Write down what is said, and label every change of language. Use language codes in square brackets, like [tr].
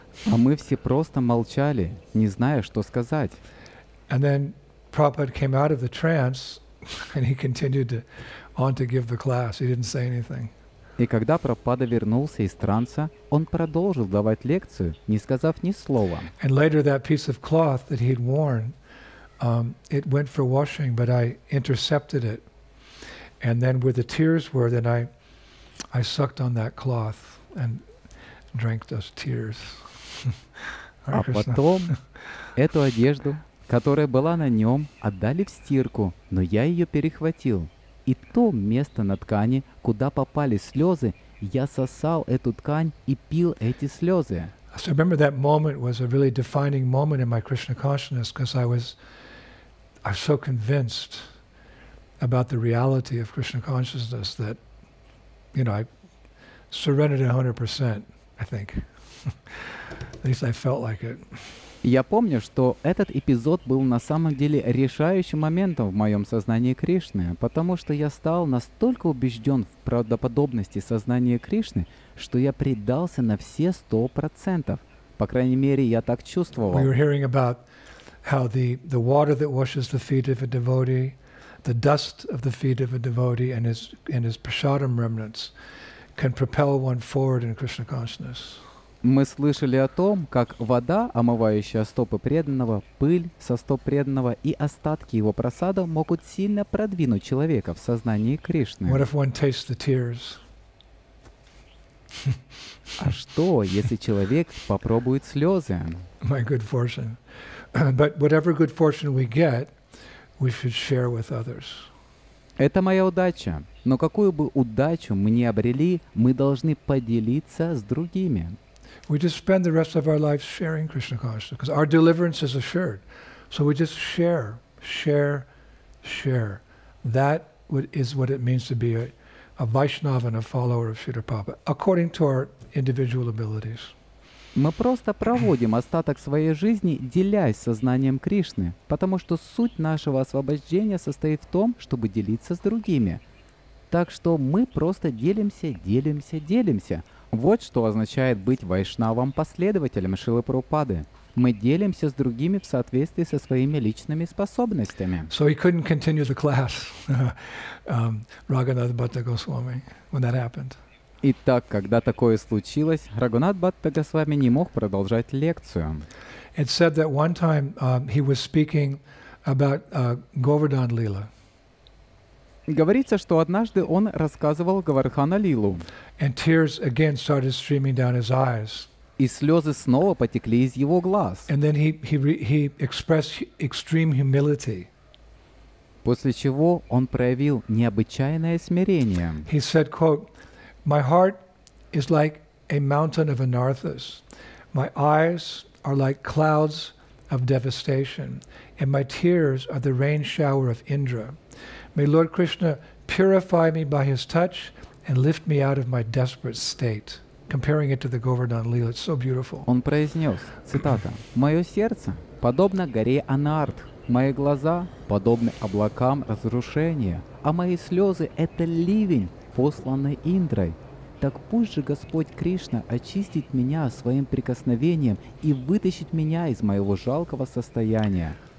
[ru] А мы все просто молчали, не зная, что сказать. [en] And then Prabhupada came out of the trance and he continued to give the class. He didn't say anything. [ru] И когда Прабхупада вернулся из транса, он продолжил давать лекцию, не сказав ни слова. [en] And later that piece of cloth that he had worn, it went for washing, but I intercepted it. And then where the tears were, then I sucked on that cloth and drank those tears. [ru] А потом эту одежду, которая была на нем, отдали в стирку, но я ее перехватил. И то место на ткани, куда попали слезы, я сосал эту ткань и пил эти слезы. [en] So remember that moment was a really defining moment in my Krishna consciousness, because I was so convinced about the reality of Krishna consciousness that, you know, I surrendered 100%, I think. At least I felt like it. [ru] Я помню, что этот эпизод был на самом деле решающим моментом в моем сознании Кришны, потому что я стал настолько убежден в правдоподобности сознания Кришны, что я предался на все 100%. По крайней мере, я так чувствовал. [en] We were hearing about how the water that washes the feet of a devotee, the dust of the feet of a devotee and his prasadam remnants can propel one forward in Krishna consciousness. [ru] Мы слышали о том, как вода, омывающая стопы преданного, пыль со стоп преданного и остатки его просада могут сильно продвинуть человека в сознании Кришны. [en] What if one tastes the tears? [ru] А что, если человек попробует слезы? [en] My good fortune. But whatever good fortune we get, we should share with others. [ru] Это моя удача. Но какую бы удачу мы ни обрели, мы должны поделиться с другими. [en] We just spend the rest of our lives sharing Krishna consciousness, because our deliverance is assured. So we just share. That is what it means to be a Vaishnava and a follower of Śrīla Prabhupāda, according to our individual abilities. [ru] Мы просто проводим остаток своей жизни, делясь сознанием Кришны, потому что суть нашего освобождения состоит в том, чтобы делиться с другими. Так что мы просто делимся. Вот что означает быть вайшнавом последователем Шрилы Прабхупады. Мы делимся с другими в соответствии со своими личными способностями. [en] So he couldn't continue the class, Raghunath Bhatta Goswami, when that happened. [ru] Итак, когда такое случилось, Рагунат Бхаттага с вами не мог продолжать лекцию. [en] It said that one time he was speaking about Govardhan Lila. [ru] Говорится, что однажды он рассказывал Говардхана Лилу. [en] And tears again started streaming down his eyes. [ru] И слезы снова потекли из его глаз. [en] And then he expressed extreme humility. [ru] После чего он проявил необычайное смирение. [en] He said, quote, "My heart is like a mountain of Anarthas. My eyes are like clouds of devastation, and my tears are the rain shower of Indra. May Lord Krishna purify me by his touch and lift me out of my desperate state." Comparing it to the Govardhan Lila, it's so beautiful. [ru] Он произнес, цитата, «Мое сердце подобно горе Анарт, мои глаза подобны облакам разрушения, а мои слезы — это ливень, посланный Индрой. Так пусть же Господь Кришна очистит меня своим прикосновением и вытащит меня из моего жалкого состояния».